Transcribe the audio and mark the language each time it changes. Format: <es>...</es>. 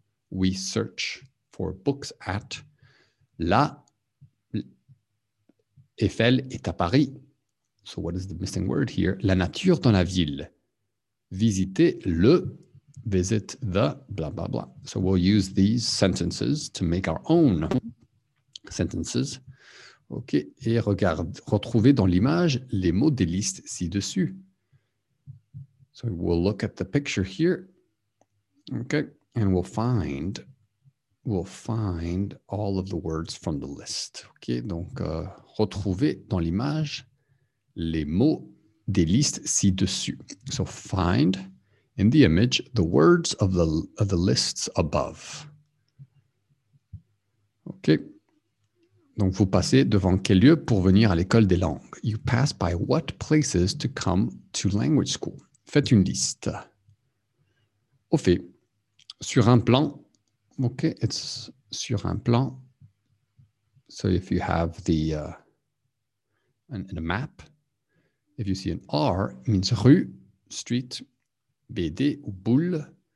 <en>We search for books at.</en> <fr>La Eiffel est à Paris.</fr> <en>So what is the missing word here?</en> <fr>La nature dans la ville. Visiter le,</fr> <en>visit the, blah, blah, blah. So we'll use these sentences to make our own sentences.</en> <fr>OK, et regarde, retrouver dans l'image les mots des listes ci-dessus.</fr> <en>So we'll look at the picture here. OK, and we'll find all of the words from the list.</en> <fr>OK, donc retrouver dans l'image les mots des listes ci-dessus.</fr> <en>So find in the image the words of the lists above. OK.</en> <fr>Donc, vous passez devant quel lieu pour venir à l'école des langues?</fr> <en>You pass by what places to come to language school?</en> <fr>Faites une liste. Au fait, sur un plan, OK, it's sur un plan.</fr> <en>So, if you have the, in a map, if you see an R, it means</en> <fr>rue,</fr> <en>street, BD ou boule.</en>